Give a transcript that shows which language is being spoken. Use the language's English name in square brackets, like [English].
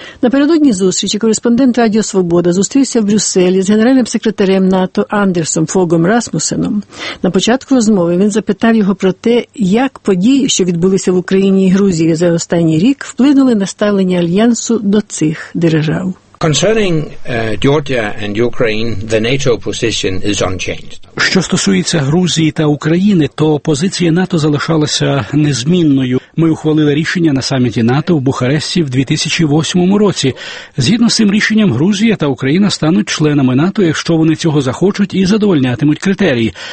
[Ukrainian] Напередодні зустрічі кореспондент Радіо Свобода зустрівся в Брюсселі з генеральним секретарем НАТО Андерсом Фогом Расмусеном. На початку розмови він запитав його про те, як події, що відбулися в Україні і Грузії за останній рік, вплинули на ставлення Альянсу до цих держав. [English] Concerning Georgia and Ukraine, the NATO position is unchanged. [Ukrainian] Що стосується Грузії та України, то позиція НАТО залишалася незмінною. Ми ухвалили рішення на саміті НАТО в Бухаресті в 2008 році. Згідно з цим рішенням, Грузія та Україна стануть членами НАТО, якщо вони цього захочуть і задовольнятимуть критерії.